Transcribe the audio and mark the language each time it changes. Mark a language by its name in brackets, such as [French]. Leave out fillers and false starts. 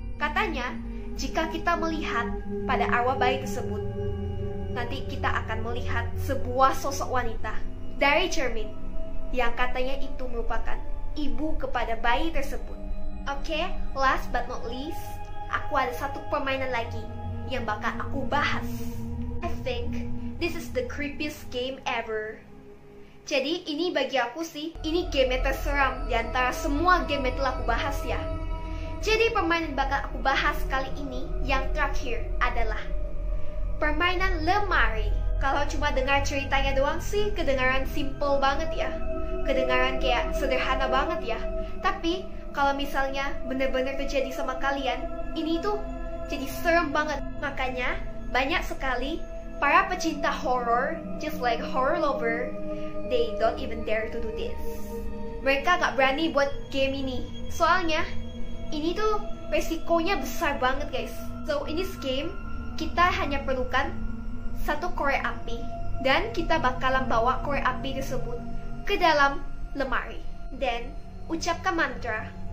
[Indonesian] Katanya, jika kita melihat pada arwah bayi tersebut, nanti kita akan melihat sebuah sosok wanita dari cermin yang katanya itu merupakan ibu kepada bayi tersebut. Oke, [English] last but not least, [Indonesian] aku ada satu permainan lagi yang bakal aku bahas. [English] I think this is the creepiest game ever. [Indonesian] Jadi ini bagi aku sih, ini game terseram diantara semua game yang telah aku bahas ya. Jadi permainan bakal aku bahas kali ini yang terakhir adalah permainan lemari. Kalau cuma dengar ceritanya doang sih, kedengaran simple banget ya. Kedengaran kayak sederhana banget ya. Tapi kalau misalnya benar-benar terjadi sama kalian, ini tuh jadi serem banget. Makanya banyak sekali para pecinta horror, [English] just like horror lover, they don't even dare to do this. [Indonesian] Mereka gak berani buat game ini. Soalnya, ini tuh resikonya besar banget guys. [English] So, in this game, [Indonesian] kita hanya perlukan satu korek api. Dan kita bakalan bawa korek api tersebut ke dalam lemari. Then, ucapkan mantra.